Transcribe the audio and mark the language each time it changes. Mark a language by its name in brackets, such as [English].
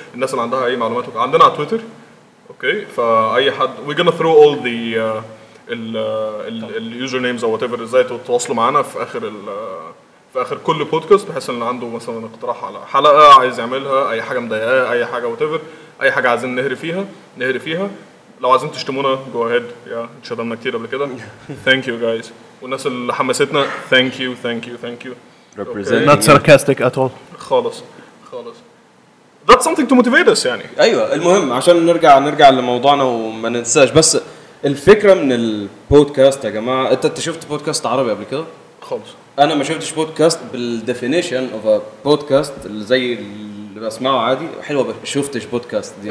[Arabic] الناس اللي عندها أي معلومات عندنا على تويتر. Okay, فأي حد [English] we're gonna throw all the ال usernames or whatever [Arabic] إزاي تتواصلوا معنا في آخر ال في آخر كل بودكاست, بحيث إن عنده مثلاً اقتراح على حلقة عايز يعملها, أي حاجة مضايقاه, أي حاجة whatever, أي حاجة عايزين نهري فيها. لو عايزين تشتمونا [English] go ahead. [Arabic] Yeah, اتشتمنا كتير قبل كده. [English] Thank you guys. [Arabic] والناس اللي حمستنا [English] thank you. Represent. Okay. Not sarcastic at all. [Arabic] خالص. [English] That's something to motivate us يعني. [Arabic] أيوة المهم عشان نرجع لموضوعنا وما ننساش, بس الفكرة من البودكاست يا جماعة, أنت شفت بودكاست عربي قبل كده؟ خالص. أنا ما شفتش بودكاست بال [English] definition of a podcast [Arabic] اللي زي اللي بسمعه عادي. حلوة شفتش بودكاست دي.